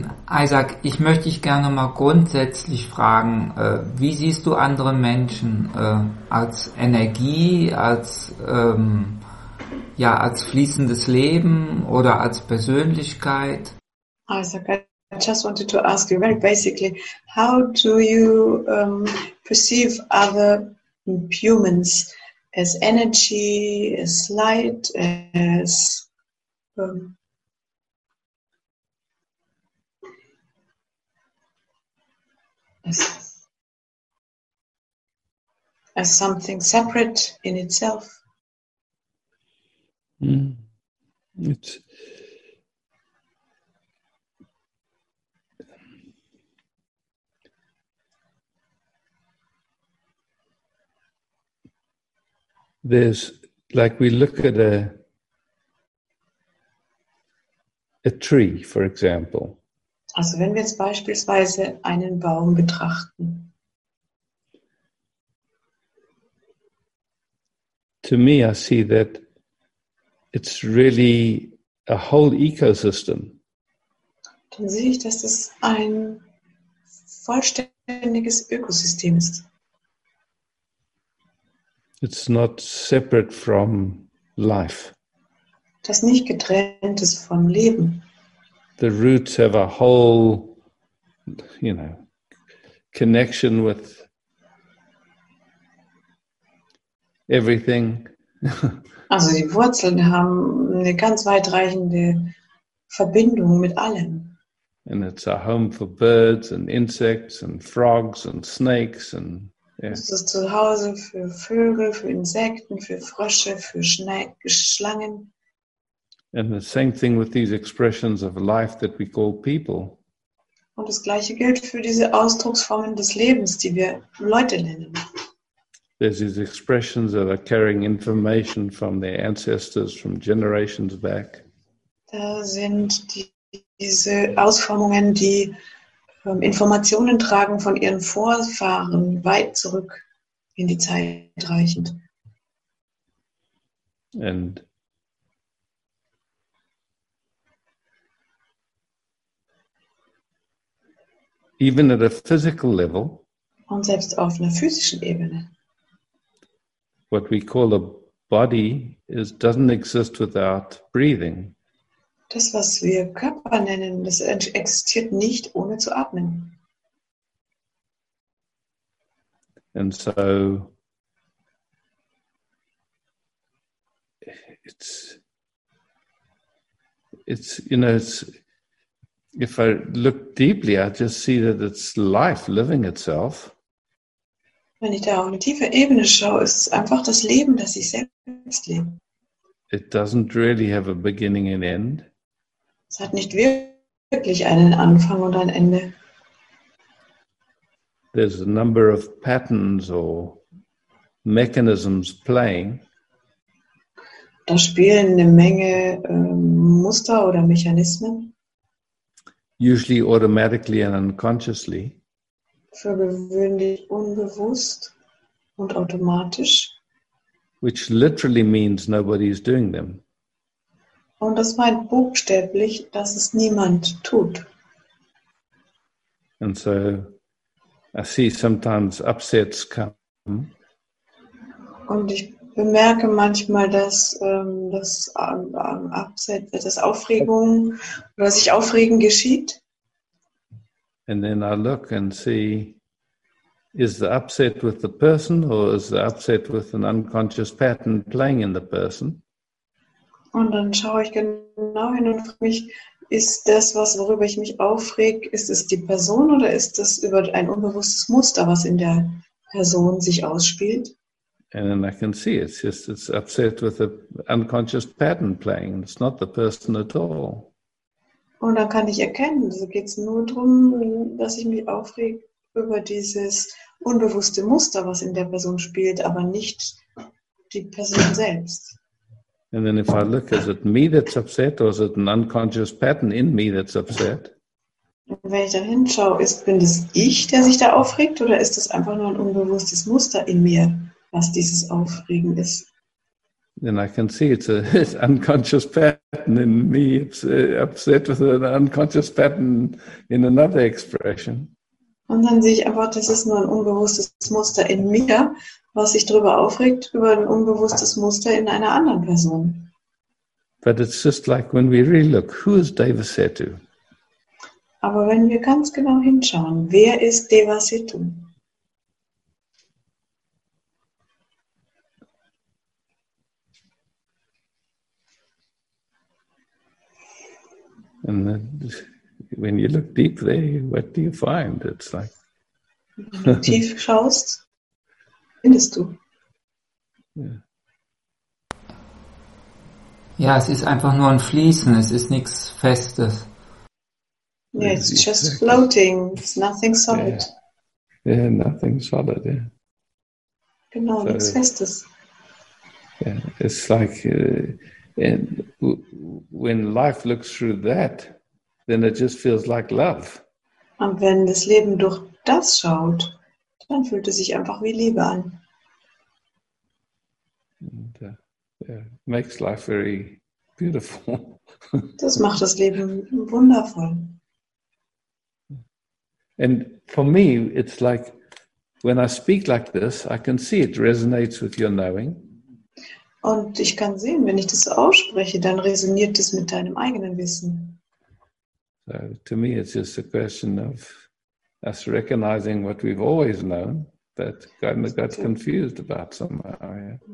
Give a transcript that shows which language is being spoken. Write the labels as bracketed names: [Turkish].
[German] Isaac, ich möchte dich gerne mal grundsätzlich fragen, wie siehst du andere Menschen als Energie, als ja, als fließendes Leben oder als Persönlichkeit? [English] Isaac, I just wanted to ask you very basically, how do you perceive other humans? As energy, as light, as as something separate in itself. Mm. There's like we look at a tree, for example. [German] Also, wenn wir jetzt beispielsweise einen Baum betrachten. [English] To me, I see that it's really a whole ecosystem. [German] Dann sehe ich, dass es ein vollständiges Ökosystem ist. [English] It's not separate from life. [German] das nicht getrennt ist vom Leben. [English] The roots have a whole, you know, connection with everything. [German] Also die Wurzeln haben eine ganz weitreichende Verbindung mit allem. [English] And it's a home for birds and insects and frogs and snakes and [German] es ist zu Hause für Vögel, für Insekten, für Frösche, für Schlangen. [English] And the same thing with these expressions of life that we call people. [German] Und das gleiche gilt für diese Ausdrucksformen des Lebens, die wir Leute nennen. [English] There's these expressions that are carrying information from their ancestors from generations back. [German] Da sind diese Ausformungen, die Informationen tragen von ihren Vorfahren weit zurück in die Zeit reichend. [English] And even at a physical level, [German] und selbst auf einer physischen Ebene, [English] what we call a body is, doesn't exist without breathing. [German] Das, was wir Körper nennen, das existiert nicht ohne zu atmen. [English] And so it's you know, it's, if I look deeply, I just see that it's life living itself. [German] Wenn ich da auf eine tiefe Ebene schaue, ist es einfach das Leben, das ich selbst lebe. [English] It doesn't really have a beginning and end. [German] Es hat nicht wirklich einen Anfang und ein Ende. [English] There's a number of patterns or mechanisms playing. [German] Da spielen eine Menge Muster oder Mechanismen. [English] Usually automatically and unconsciously. [German] Für gewöhnlich unbewusst und automatisch. [English] Which literally means nobody is doing them. [German] Und das meint buchstäblich, dass es niemand tut. [English] And so I see sometimes upsets come. [German] Und ich bemerke manchmal, dass das upset, dass Aufregung oder sich Aufregen geschieht. [English] And then I look and see, is the upset with the person or is the upset with an unconscious pattern playing in the person? [German] Und dann schaue ich genau hin und frage mich, ist das, was worüber ich mich aufreg, ist es die Person oder ist das über ein unbewusstes Muster, was in der Person sich ausspielt? [English] And then I can see it's just it's upset with the unconscious pattern playing. It's not the person at all. [German] Und dann kann ich erkennen, so geht es nur darum, dass ich mich aufreg über dieses unbewusste Muster, was in der Person spielt, aber nicht die Person selbst. [English] And then if I look, is it me that's upset or is it an unconscious pattern in me that's upset? [German] Wenn ich da hinschaue, bin das ich, der sich da aufregt oder ist das einfach nur ein unbewusstes Muster in mir, was dieses Aufregen ist? [English] Then I can see it's an unconscious pattern in me, it's upset with an unconscious pattern in another expression. [German] Und dann sehe ich einfach, das ist nur ein unbewusstes Muster in mir, was sich darüber aufregt, über ein unbewusstes Muster in einer anderen Person. [English] But it's just like when we really look, who is Devasetu? [German] Aber wenn wir ganz genau hinschauen, wer ist Devasetu? [English] And then when you look deep there, what do you find? It's like [German] wenn du tief schaust, findest du. Ja, es ist einfach nur ein Fließen, es ist nichts Festes. [English] Yeah, it's just floating, it's nothing solid. Yeah, nothing solid, yeah. [German] Genau, so, nichts Festes. [English] Yeah, it's like and when life looks through that, then it just feels like love. [German] Und wenn das Leben durch das schaut, dann fühlt es sich einfach wie Liebe an. [English] And, makes life very beautiful. [German] Das macht das Leben wundervoll. [English] And for me, it's like when I speak like this, I can see it resonates with your knowing. [German] Und ich kann sehen, wenn ich das ausspreche, dann resoniert es mit deinem eigenen Wissen. [English] So, to me, it's just a question of us recognizing what we've always known, that kind of got confused about somehow.